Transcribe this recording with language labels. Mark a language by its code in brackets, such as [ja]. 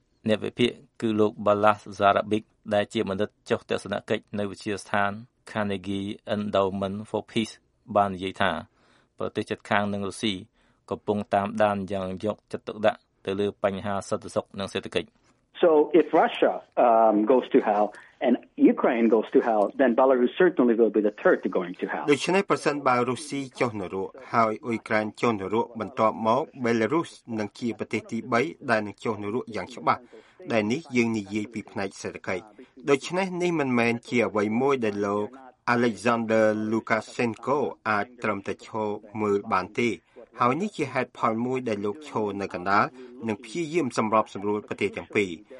[km] អ្នកវិភាគគឺលោក Balas Zarabik ដែលជាបណ្ឌិតចុះទស្សនកិច្ចនៅវិទ្យាស្ថាន Carnegie Endowment for Peace បាននិយាយថាប្រទេសជិតខាងនឹងរុស្ស៊ីកំពុងតាមដានយ៉ាងយកចិត្តទុកដាក់ទៅលើបញ្ហាសន្តិសុខនិងសេដ្ឋកិច្ច [en] So if Russia goes to hell and Ukraine goes to hell then Belarus certainly will be the third to going to hell [km] ដូច្នេះប្រសិនបើរុស្ស៊ីចុះនរោហើយអ៊ុយក្រែនចុះនរោបន្ទាប់មក Belarus នឹងជាប្រទេសទី3ដែលនឹងចុះនរោយ៉ាងច្បាស់ដែលនេះយើងនិយាយពីផ្នែកសេដ្ឋកិច្ចដូច្នេះនេះមិនមែនជាអ្វីមួយដែលលោក Alexander Lukashenko អាចត្រឹមតែឈរមើលបានទេហើយនេះជាហេតុផលមួយដែលលោកឈរនៅកណ្ដាលនិងព្យាយាមសម្របសម្រួលប្រទេសទាំងពីរ